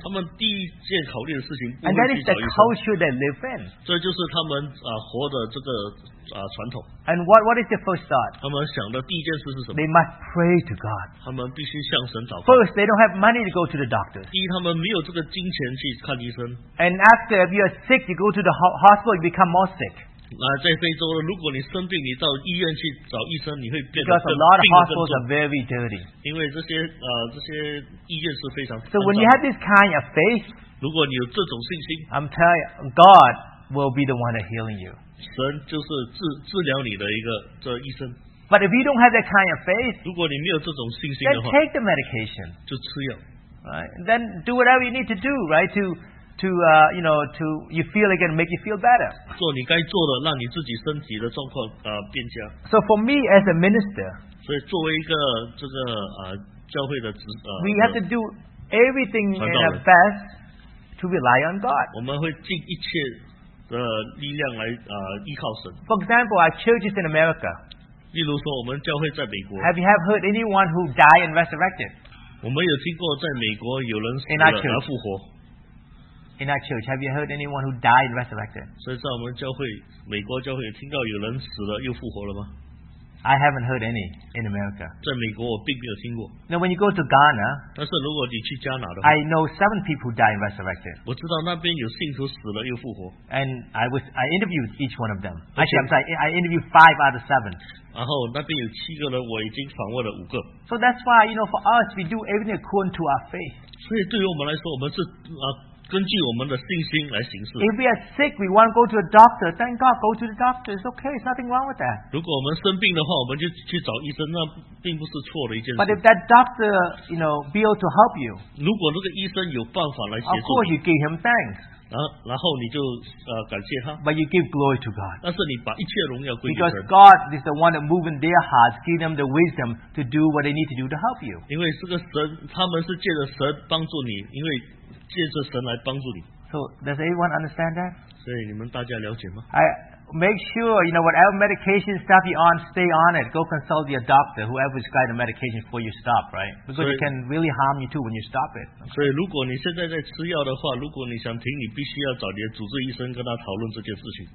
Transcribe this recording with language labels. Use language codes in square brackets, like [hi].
[zh] 他们第一件考虑的事情不会去找医生。 [en] And that is the culture they live in. [zh] 这就是他们活的这个传统。 [en] And what is their first thought? [zh] 他们想的第一件事是什么? [en] They must pray to God. [zh] 他们必须向神祷告。 [en] First, they don't have money to go to the doctors. [zh] 第一，他们没有这个金钱去看医生。 [en] And after, if you are sick, you go to the hospital, you become more sick. [zh] 在非洲如果你生病你到医院去找医生 [en] Because a lot of hospitals are very dirty. [zh] 因为这些医院是非常脏的。 [en] So when you have this kind of faith, [zh] 如果你有这种信心, [en] I'm telling you, God will be the one healing you. [zh] 神就是治疗你的一个医生。 [en] But if you don't have that kind of faith, [zh] 如果你没有这种信心的话, [en] then take the medication. [zh] 就吃药。 [en] Right? Then do whatever you need to do, right? To you feel again, make you feel better. [zh] 做你该做的, 让你自己身体的状况, [en] so for me as a minister, [zh] 所以作为一个这个, 教会的职, [en] we have to do everything in our best to rely on God. [zh] 我们会尽一切的力量来, [en] for example, our churches in America. Have you heard anyone who died and resurrected? [zh] 我们有听过在美国有人死了而复活。 [en] In our church, have you heard anyone who died and resurrected? [zh] 所以在我们教会, 美国教会, 听到有人死了又复活了吗? [en] I haven't heard any in America. [zh] 在美国我并没有听过。 [en] Now when you go to Ghana, [zh] 但是如果你去加拿的话, [en] I know 7 people who died and resurrected. [zh] 我知道那边有信徒死了又复活。 [en] And I interviewed each one of them. Actually, I'm sorry, I interviewed 5 out of 7. [zh] 然后那边有七个人，我已经访问了五个。 [en] So that's why, you know, for us, we do everything according to our faith. [zh] 所以对于我们来说，我们是 根据我们的信心来行事。 [en] If we are sick, we want to go to a doctor. Thank God, go to the doctor. It's okay. There's nothing wrong with that. [zh] 如果我们生病的话，我们就去找医生，那并不是错的一件事。 [en] But if that doctor, you know, be able to help you, [zh] 如果那个医生有办法来协助你, [en] of course you give him thanks. [zh] 然后你就感谢他。 [en] But you give glory to God. [zh] 但是你把一切荣耀归给神。 [en] Because God is the one that moves in their hearts, give them the wisdom to do what they need to do to help you. [zh] 因为这个神，他们是借着神帮助你，因为 [en] So, does anyone understand that? [zh] 所以你们大家了解吗? [en] I make sure, you know, whatever medication stuff you're on, stay on it. Go consult your doctor, whoever is guiding the medication before you stop, right? Because it can really harm you too when you stop it. [zh] 所以如果你现在在吃药的话,如果你想停,你必须要找你的主治医生跟他讨论这件事情。